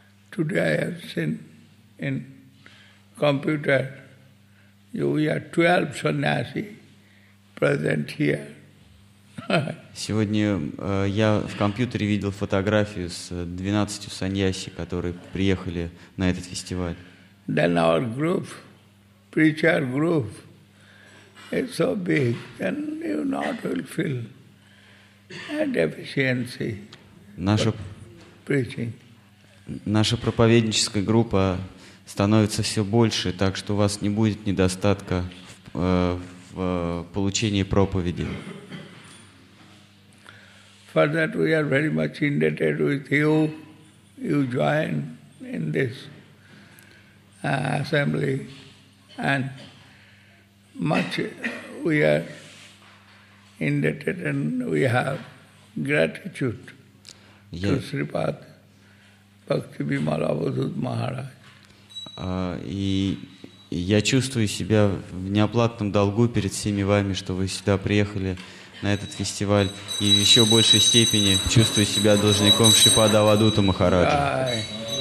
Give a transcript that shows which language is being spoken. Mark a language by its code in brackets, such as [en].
[en] Today I have seen in computer you are 12 sannyasi present here. [ru] Сегодня я в компьютере видел фотографию с 12 саньяси, которые приехали на этот фестиваль. [en] Then our group, preacher group, is so big, then you not will feel a deficiency [ru] наша, [en] preaching. [ru] Наша проповедническая группа становится все больше, так что у вас не будет недостатка в получении проповеди. [en] For that we are very much indebted with you. You join in this assembly, and much we are indebted and we have gratitude to Sripad Bhakti Bimala Vasudh Maharaj. [ru] И я чувствую себя в неоплатном долгу перед всеми вами, что вы сюда приехали на этот фестиваль. И в еще большей степени чувствую себя должником Шипада Авадута Махараджа.